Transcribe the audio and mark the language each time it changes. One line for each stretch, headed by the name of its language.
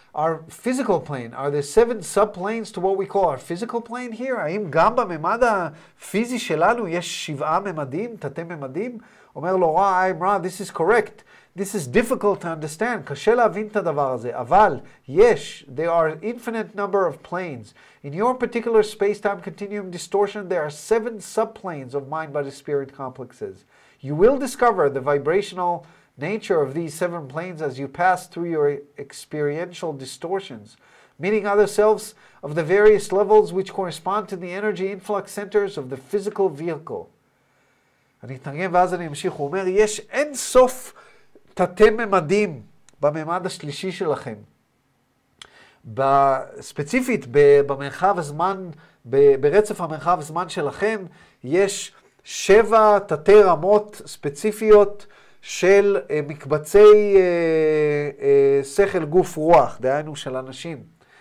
English: Our physical plane, are there seven subplanes to what we call our physical plane here?
Hebrew: האם גם בממד הפיזי שלנו יש שבעה ממדים, תתי ממדים? אומר לו,
English: Ra, this is correct. This is difficult to understand.
Hebrew: קשה להבין את הדבר הזה. אבל,
English: yes, there are infinite number of planes. In your particular space-time continuum distortion, there are seven subplanes of mind-body-spirit complexes. You will discover the vibrational nature of these seven planes as you pass through your experiential distortions, meeting other selves of the various levels which correspond to the energy influx centers of the physical vehicle.
Hebrew: אני אתנגן ואז אני אמשיך. הוא אומר, יש אין סוף תתי ממדים בממד השלישי שלכם. ספציפית במרחב הזמן, ברצף המרחב הזמן שלכם, יש שבע תתי רמות ספציפיות של מקבצי שכל גוף רוח, דהיינו של אנשים.